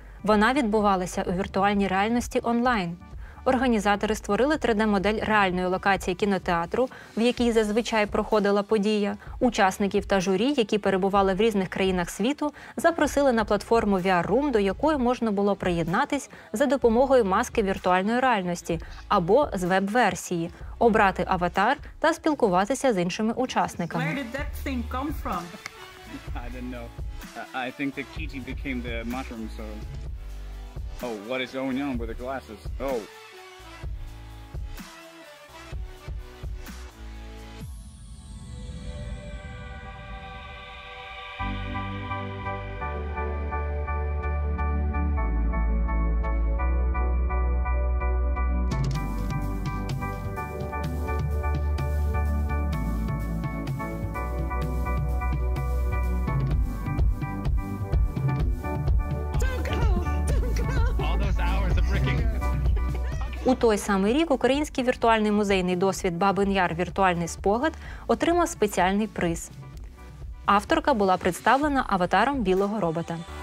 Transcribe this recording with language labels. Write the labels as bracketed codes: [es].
[uk] Вона відбувалася у віртуальній реальності онлайн. Організатори створили 3D-модель реальної локації кінотеатру, в якій зазвичай проходила подія. Учасників та журі, які перебували в різних країнах світу, запросили на платформу VR Room, до якої можна було приєднатись за допомогою маски віртуальної реальності або з веб-версії, обрати аватар та спілкуватися з іншими учасниками. [en] Where did that thing come from? I don't know. I think the Kiki became the mushroom, so... Oh, what is going on with the glasses? Oh. Don't go! Don't go! All those hours of freaking... [uk] У той самий рік український віртуальний музейний досвід «Бабин Яр. Віртуальний спогад» отримав спеціальний приз. Авторка була представлена аватаром білого робота.